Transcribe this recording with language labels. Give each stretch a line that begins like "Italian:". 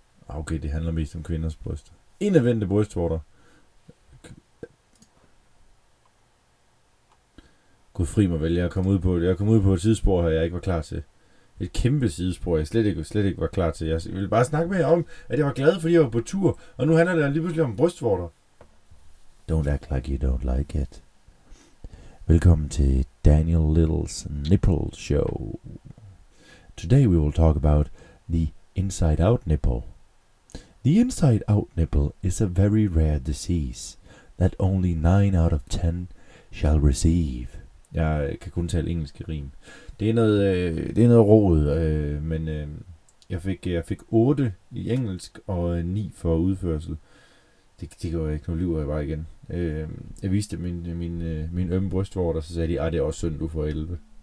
Danish: Okay, det handler mest om kvinders bryster. Indadvendte brystvorter. Gud fri mig vel, jeg kom ud på et sidespor her, jeg ikke var klar til. Et kæmpe sidespor, jeg slet ikke var klar til. Jeg ville bare snakke med jer om, at jeg var glad, fordi jeg var på tur. Og nu handler det lige pludselig om brystvorter.
English: Don't act like you don't like it.
Danish: Velkommen til Daniel Lill's Nipple Show.
English: Today we will talk about the inside-out nipple. The inside-out nipple is a very rare disease that only 9 out of 10 shall receive.
Danish: Jeg kan kun tale engelsk rim. Det er noget rod, men jeg fik 8 i engelsk og 9 for udførsel. Det går ikke, nu lyver jeg bare igen. Jeg viste min ømme brystvorter, så sagde de, at det er også synd, du får 11.